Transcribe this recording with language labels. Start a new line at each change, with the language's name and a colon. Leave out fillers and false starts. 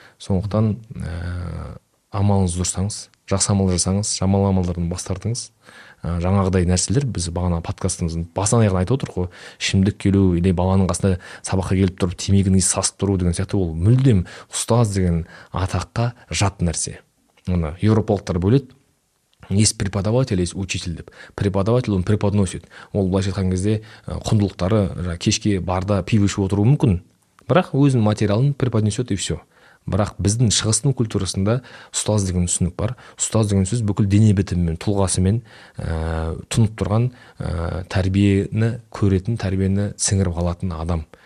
Kazakh: Сондықтан амалыңызды дұрыстаңыз, жақсы амал жасаңыз, жаман амалдардан бас тартыңыз. Жаңағыдай нәрселер біз бағана подкастымыздың басынан аяғына айтып отырмық қой. Ішімдік келу, или баланың қасына сабаққа келіп тұрып темекіні сасып тұру деген сияқты, ол мүлдем ұстаз деген атаққа жат нәрсе. Мына еуропалықтар бөледі.
Russian: Есть преподаватель, есть учитель
Kazakh: деп.
Russian: Преподаватель он преподносит.
Kazakh: Ол былайша айтқан кезде құндылықтары кешке барда пиво ішіп отыруы мүмкін. Бірақ өзінің материалын
Russian: преподнесет и все.
Kazakh: Бірақ біздің шығыстың культурасында ұстаз деген түсінік бар. Ұстаз деген сөз бүкіл дене бітімімен, тұлғасымен тұнып тұрған тәрбиені көретін, тәрбиені сіңіріп алатын адам.